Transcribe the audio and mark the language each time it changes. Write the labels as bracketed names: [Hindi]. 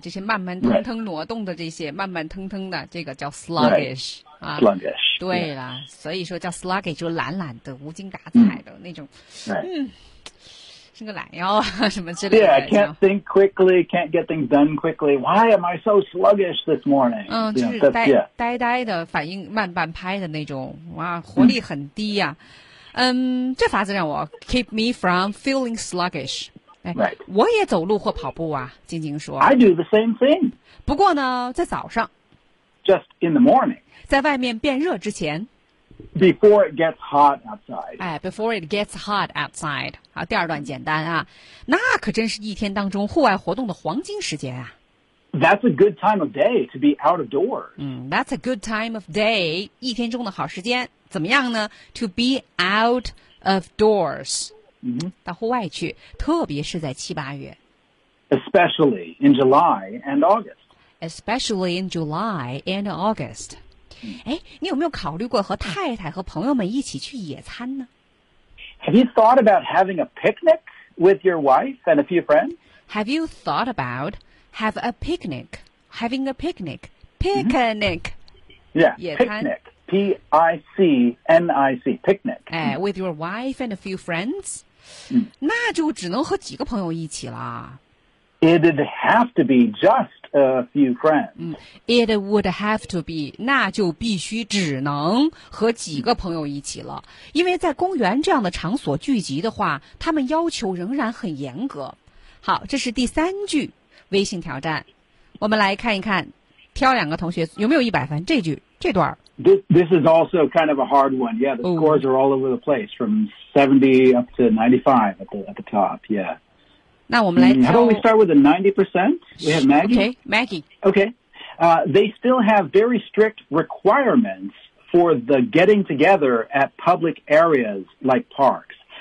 [Chinese] 这些慢慢腾腾挪动的这些、 [English] right. [Chinese] 慢慢腾腾的这个叫 sluggish、 [English] right. 啊、sluggish [Chinese] 对啦、 [English] yeah. [Chinese] 所以说叫 sluggish 就懒懒的无精打采的、mm-hmm. 那种、 [English] right. [Chinese] 嗯，伸个懒腰什么之类的 [English] Yeah, I can't think quickly, can't get things done quickly. Why am I so sluggish this morning? [Chinese] 嗯，就是 [English] yeah. [Chinese] 呆呆的反应慢半拍的那种哇，活力很低呀、啊 mm-hmm. 这法子让我 [English] keep me from feeling sluggish、 right. [Chinese] 我也走路或跑步啊晶晶说 [English] I do the same thing [Chinese] 不过呢在早上 [English] just in the morning [Chinese] 在外面变热之前 [English] before it gets hot outside、 [Chinese] 哎、 [English] before it gets hot outside [Chinese] 好第二段简单啊那可真是一天当中户外活动的黄金时间啊 [English] That's a good time of day to be out of doors. That's a good time of day. [Chinese] 一天中的好时间怎么样呢 [English] To be out of doors.、 Mm-hmm. [Chinese] 到户外去特别是在七八月。 [English] Especially in July and August. Especially in July and August. [Chinese] 哎、mm-hmm. ，你有没有考虑过和太太和朋友们一起去野餐呢 [English] Have you thought about having a picnic with your wife and a few friends? Have you thought aboutHave a picnic, having a picnic, picnic.、 Mm-hmm. Yeah, picnic, P-I-C-N-I-C, picnic. With your wife and a few friends?、 Mm-hmm. [Chinese] 那就只能和几个朋友一起了。 [English] It'd have to be just a few friends.、 It would have to be, [Chinese] 那就必须只能和几个朋友一起了。因为在公园这样的场所聚集的话，他们要求仍然很严格。好，这是第三句。微信挑战，我们来看一看，挑两个同学有没有一百分？这句这段 [English] This is also kind of a hard one. Yeah, the scores are all over the place, from 70 up to 95 at the top. Yeah. [Chinese] 那我们来挑。 [English] How about we start with a 90%? We have Maggie. Okay, Maggie. Okay. They still have very strict requirements for the getting together at public areas like parks.